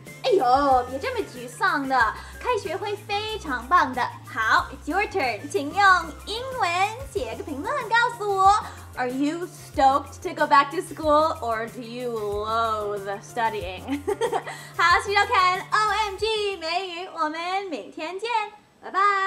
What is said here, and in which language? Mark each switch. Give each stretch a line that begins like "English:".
Chinese: 哎呦，别这么沮丧的，开学会非常棒的。好 ，
English: It's your turn，
Chinese: 请用英文写个评论告诉我。
English: Are you stoked to go back to school or do you loathe studying？
Chinese: 好，徐周凯 ，OMG 美语，我们明天见，拜拜。